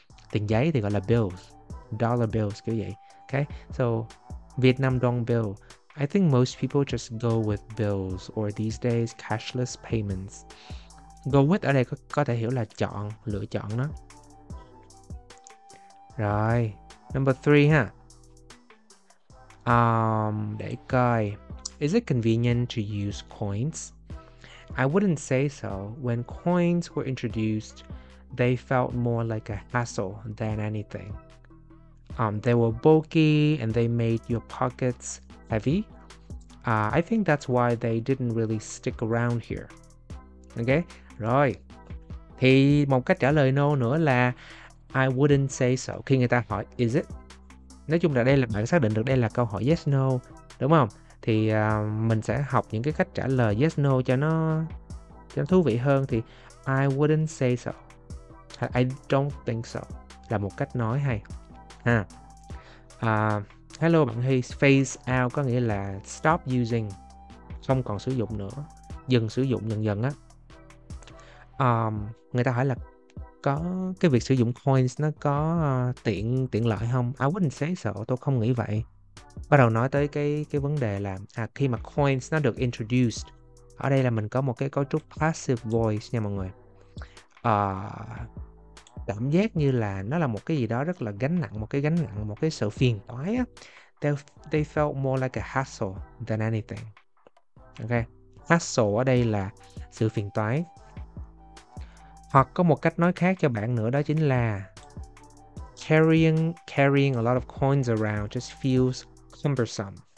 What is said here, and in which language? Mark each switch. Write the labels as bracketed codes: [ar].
[vi] Tiền giấy thì gọi là bills, [en] dollar bills [vi] kiểu vậy. [en] Okay, so Vietnam dong bill. I think most people just go with bills or these days cashless payments. [vi] Go with ở đây có thể hiểu là chọn, lựa chọn đó. Rồi, number 3 ha. Để coi. [en] Is it convenient to use coins? I wouldn't say so. When coins were introduced, they felt more like a hassle than anything. They were bulky and they made your pockets heavy. I think that's why they didn't really stick around here. [vi] Okay, rồi. Thì một cách trả lời no nữa là [en] I wouldn't say so. [vi] Khi người ta hỏi [en] is it? [vi] Nói chung là đây là bạn xác định được đây là câu hỏi yes no, đúng không? Thì mình sẽ học những cái cách trả lời yes no cho nó thú vị hơn. Thì [en] I wouldn't say so. I don't think so [vi] là một cách nói hay ha. Hello bạn Hy, [en] phase out [vi] có nghĩa là [en] stop using, [vi] không còn sử dụng nữa, dừng sử dụng dần dần á. Người ta hỏi là có cái việc sử dụng coins nó có tiện lợi không? [en] I wouldn't say so, [vi] tôi không nghĩ vậy. Bắt đầu nói tới cái vấn đề là khi mà coins nó được introduced, ở đây là mình có một cái cấu trúc [en] passive voice [vi] nha mọi người. Cảm giác như là nó là một cái gì đó rất là gánh nặng, một cái sự phiền toái á. [en] They felt more like a hassle than anything. Okay. [vi] Hassle ở đây là sự phiền toái. Hoặc có một cách nói khác cho bạn nữa, đó chính là [en] carrying a lot of coins around just feels cumbersome.